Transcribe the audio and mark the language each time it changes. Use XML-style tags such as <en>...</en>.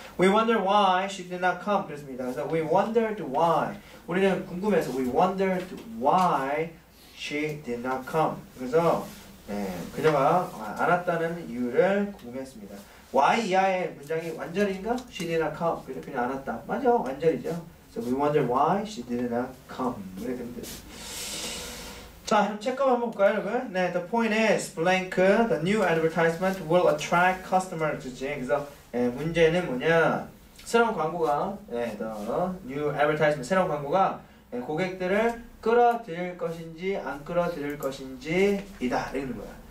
<en>We wonder why she did not come.</en> <ko>그렇습니다. 그래서</ko> <en>we wondered why.</en> <ko>우리는 궁금해서</ko> <en>we wondered why she did not come.</en> <ko>그래서 네, 그녀가 안 왔다는 이유를 궁금했습니다. Why 이하의 문장이 완절인가?</ko> <en>She did not come.</en> <ko>그래서 그냥 안 왔다. 맞아, 완절이죠.</ko> <en>So we wonder why she did not come.</en> <ko>그래, 근데. 자, 그럼 체크 한번 볼까요, 여러분?</ko> <en>네, the point is blank. The new advertisement will attract customers. 그치?</en> <ko>그래서 예, 문제는 뭐냐? 새로운 광고가, 예,</ko> <en>the new advertisement,</en> <ko>새로운 광고가 예, 고객들을 끌어들일 것인지 안 끌어들일 것인지 이다. 이러는 거야.</ko>